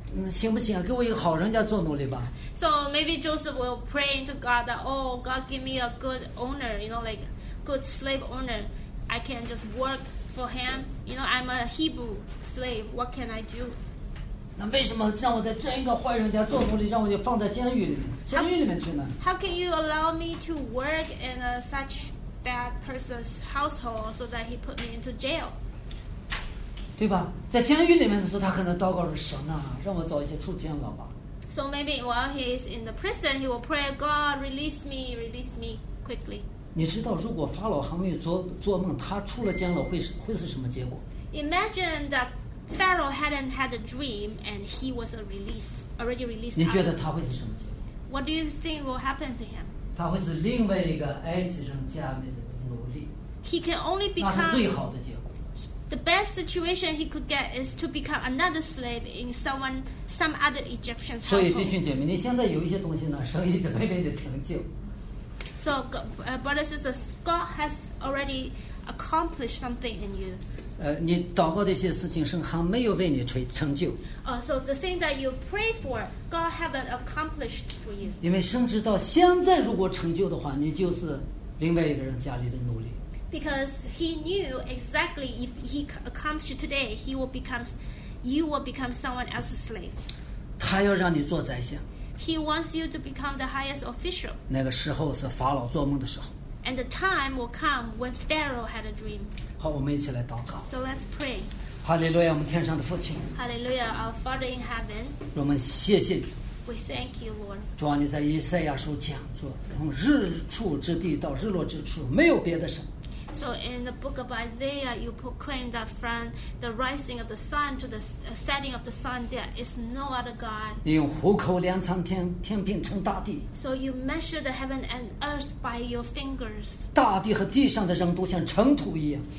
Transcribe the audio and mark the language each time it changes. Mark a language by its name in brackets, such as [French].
[Chinese] 行不行啊？给我一个好人家做奴隶吧。 [English] So maybe Joseph will pray to God that, oh, God, give me a good owner, you know, like good slave owner. I can just work. For him, you know, I'm a Hebrew slave. What can I do? [Chinese] 那为什么让我在这一个坏人家做奴隶，让我就放在监狱里面去呢？ [English] How can you allow me to work in a such bad person's household so that he put me into jail? [Chinese] 对吧？在监狱里面的时候，他可能祷告说：“神啊，让我找一些畜生了吧。” [English] So maybe while he's in the prison, he will pray, God, release me quickly. [Chinese] 你知道，如果法老还没有做梦，他出了监牢会是什么结果 [English] ？Imagine that Pharaoh hadn't had a dream and he was already released. [Chinese] 你觉得他会是什么结果 [English] ？What do you think will happen to him？ [Chinese] 他会是另外一个埃及人家里的奴隶。 [English] He can only become. [Chinese] 那是最好的结果。 [English] The best situation he could get is to become another slave in some other Egyptian's household. [Chinese] 所以弟兄姐妹，你现在有一些东西呢，神已经为你成就。 [English] So, brothers and sisters, God has already accomplished something in you. [Chinese] 你祷告的一些事情，神还没有为你成就。 [English] So the thing that you pray for, God haven't accomplished for you. [Chinese] 因为神知道，现在如果成就的话，你就是另外一个人家里的奴隶。 [English] Because He knew exactly if He accomplished today, you will become someone else's slave. [Chinese] 他要让你做宰相。 [English] He wants you to become the highest official. [Chinese] 那个时候是法老做梦的时候。 [English] And the time will come when Pharaoh had a dream. [Chinese] 好，我们一起来祷告。 [English] So let's pray. [Chinese] 哈利路亚，我们天上的父亲。 [English] Hallelujah, our Father in heaven. [Chinese] 我们谢谢你。 [English] We thank you, Lord. [Chinese] 主啊，你在以赛亚书讲说，从日出之地到日落之处，没有别的神。 [English] So in the book of Isaiah, you proclaim that from the rising of the sun to the setting of the sun, there is no other God. [Chinese] 你用虎口量苍天，天平称大地。 [English] So you measure the heaven and earth by your fingers. [Chinese] 大地和地上的人都像尘土一样。